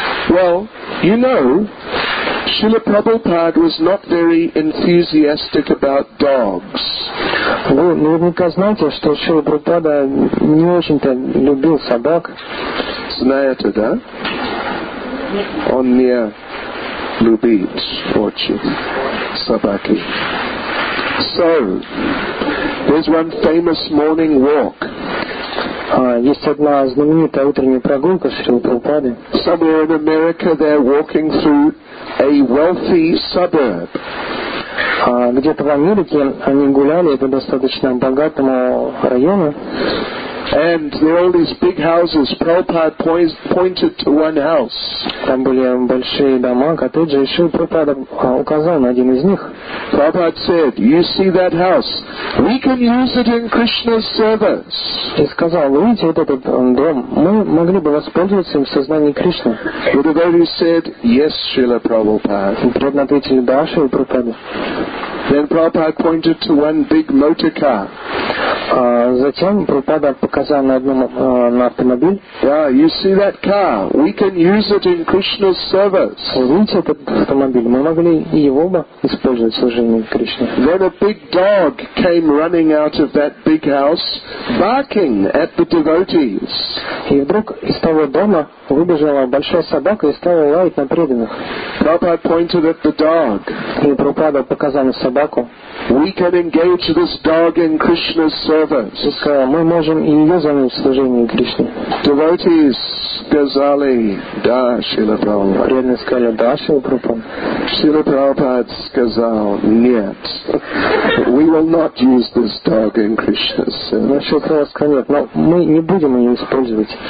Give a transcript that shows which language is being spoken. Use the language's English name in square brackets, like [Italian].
[English] Well, you know, Srila Prabhupada was not very enthusiastic about dogs. [Russian] Вы наверняка знаете, что Шрила Прабхупада не очень-то любил собак. Знаете, да? Он не любит очень собаки. [English] So, there's one famous morning walk. [Russian] Есть одна знаменитая утренняя прогулка Шрилы Прабхупады. [English] Somewhere in America they're walking through a wealthy suburb. [Russian] Где-то в Америке они гуляли по достаточно богатому району. [English] And there are all these big houses. Prabhupada pointed to one house. [Russian] Там были большие дома, коттеджи, и Шрила Прабхупада указал на один из них. [English] Prabhupada said, "You see that house? We can use it in Krishna's service." [Russian] И сказал, вы видите вот этот дом? Мы могли бы воспользоваться им в сознании Кришны. [English] The devotees said, "Yes, Srila Prabhupada." [Russian] Преданные ответили, да, Шрила Прабхупада. [English] Then Prabhupada pointed to one big motor car. [Russian] Затем Прабхупада показал на одном на автомобиль. [English] Yeah, you see that car? We can use it in Krishna's service. [Russian] Видите этот автомобиль? Мы могли его бы использовать в служении Кришне. [English] Then a big dog came running out of that big house, barking at the devotees. [Russian] И вдруг из того дома выбежала большая собака и стала лаять на преданных. [English] Prabhupada pointed at the dog. [Russian] И Прабхупада показал на собаку. [English] We can engage this dog in Krishna's service. [Russian] Мы можем и ее занять в служении Кришне. Devotees сказали, да, Шрила Прабхупада. Преданные сказали, да, Шрила Прабхупада. Шрила Прабхупада сказал, нет. [English] We will not use this dog in Krishna's service. [Russian] Шрила Прабхупада сказал, нет, но мы не будем ее использовать.